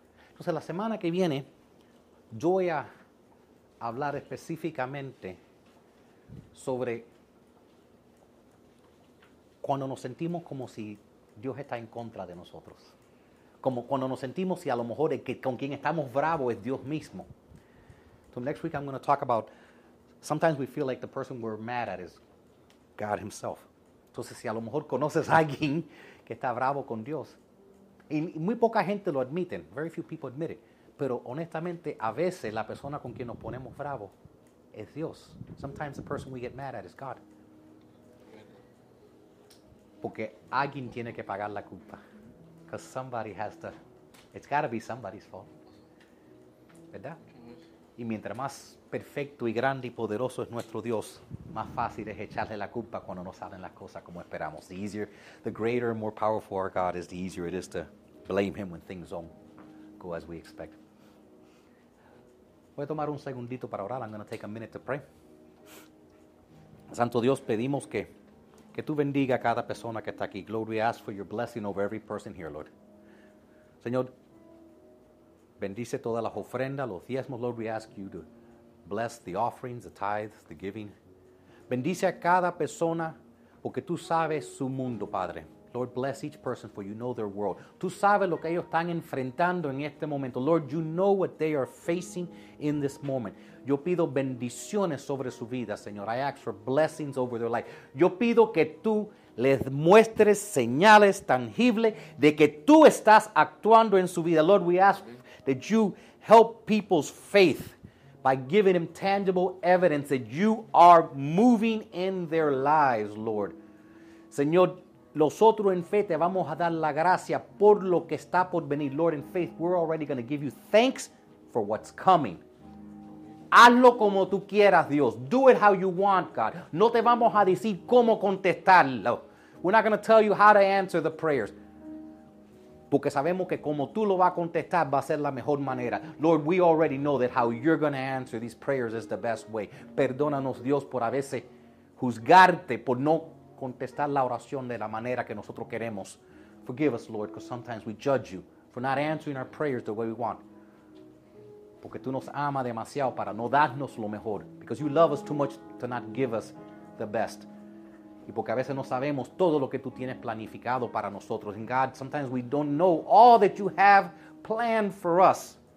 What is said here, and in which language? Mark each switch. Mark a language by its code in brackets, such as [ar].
[es] Entonces, la semana que viene, yo voy a hablar específicamente sobre cuando nos sentimos como si Dios está en contra de nosotros. Como cuando nos sentimos si a lo mejor el que, con quien estamos bravos es Dios mismo. [en] So next week I'm going to talk about, sometimes we feel like the person we're mad at is God himself. [es] Entonces si a lo mejor conoces a alguien que está bravo con Dios. Y muy poca gente lo admiten. [en] Very few people admit it. [es] Pero honestamente a veces la persona con quien nos ponemos bravos es Dios. [en] Sometimes the person we get mad at is God. [es] Porque alguien tiene que pagar la culpa. [en] Because somebody has to. It's got to be somebody's fault. [es] ¿Verdad? Y mientras más perfecto y grande y poderoso es nuestro Dios, más fácil es echarle la culpa cuando no salen las cosas como esperamos. [en] The easier, the greater and more powerful our God is, the easier it is to blame him when things don't go as we expect. [es] Voy a tomar un segundito para orar. [en] I'm going to take a minute to pray. [es] Santo Dios, pedimos que tú bendiga a cada persona que está aquí. [en] Lord, we ask for your blessing over every person here, Lord. [es] Señor, bendice todas las ofrendas, los diezmos. [en] Lord, we ask you to bless the offerings, the tithes, the giving. [es] Bendice a cada persona porque tú sabes su mundo, Padre. [en] Lord, bless each person for you know their world. [es] Tú sabes lo que ellos están enfrentando en este momento. [en] Lord, you know what they are facing in this moment. [es] Yo pido bendiciones sobre su vida, Señor. [en] I ask for blessings over their life. [es] Yo pido que tú les muestres señales tangibles de que tú estás actuando en su vida. [en] Lord, we ask that you help people's faith by giving them tangible evidence that you are moving in their lives, Lord. [es] Señor, nosotros en fe te vamos a dar la gracia por lo que está por venir. [en] Lord, in faith, we're already going to give you thanks for what's coming. [es] Hazlo como tú quieras, Dios. [en] Do it how you want, God. [es] No te vamos a decir cómo contestarlo. [en] We're not going to tell you how to answer the prayers. [es] Porque sabemos que como tú lo vas a contestar va a ser la mejor manera. [en] Lord, we already know that how you're going to answer these prayers is the best way. [es] Perdónanos, Dios, por a veces juzgarte por no contestar la oración de la manera que nosotros queremos. [en] Forgive us, Lord, because sometimes we judge you for not answering our prayers the way we want. [es] Porque tú nos amas demasiado para no darnos lo mejor. [en] Because you love us too much to not give us the best. [es] Y porque a veces no sabemos todo lo que tú tienes planificado para nosotros. [en] And God, sometimes we don't know all that you have planned for us.